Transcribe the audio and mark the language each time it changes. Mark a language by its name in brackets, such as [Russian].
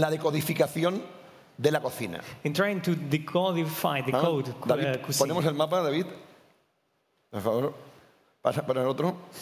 [Spanish] la decodificación de la cocina. [English] In trying to decodify the code. [Spanish] David, [English] cuisine. [Spanish] Ponemos el mapa, David. Por favor, pasa para el otro.